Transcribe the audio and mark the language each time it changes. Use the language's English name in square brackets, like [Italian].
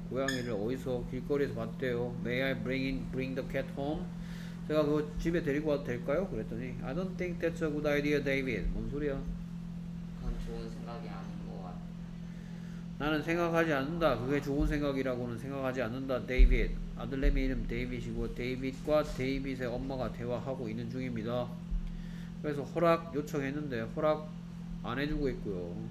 [Korean] 고양이를 어디서 길거리에서 봤대요. [English] May I bring the cat home? [Korean] 제가 그거 집에 데리고 와도 될까요? 그랬더니 [English] I don't think that's a good idea, David. [Korean] 뭔 소리야? 그건 좋은 생각이 아닌 것 같아. 나는 생각하지 않는다. 그게 좋은 생각이라고는 생각하지 않는다, David. 아들내미 이름 David이고 David과 David의 엄마가 대화하고 있는 중입니다. 그래서 허락 요청했는데 허락 안 해주고 있고요.